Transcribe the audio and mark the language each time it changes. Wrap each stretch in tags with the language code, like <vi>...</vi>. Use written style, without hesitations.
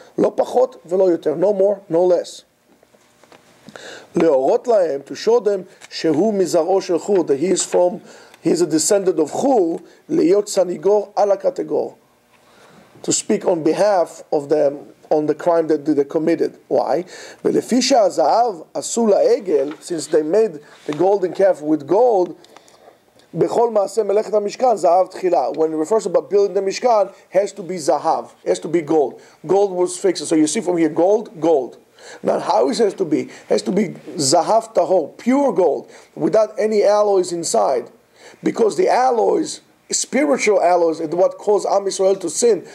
<he>Lo pachot velo yoter,</he> <en>no more, no less.</en> <he>Leorot lahem,</he> <en>to show them,</en> <he>shehu mizaro shel Hur,</he> <en>that he is a descendant of Hur,</en> <he>leyot sanigor ala kategor.</he> <en>to speak on behalf of them on the crime that they committed. Why?</en> <he>ולפי שהזהב עשו לעגל,</he> <en>since they made the golden calf with gold,</en> <he>בכל מעשה מלאכת המשכן, זהב תחילה.</he> <en>When it refers about building the Mishkan, has to be זהב, has to be gold. Gold was fixed. So you see from here, gold, gold. Now how it has to be? It has to be זהב טהור, pure gold, without any alloys inside. Because the alloys, spiritual alloys, is what caused Am Yisrael to sin.</en>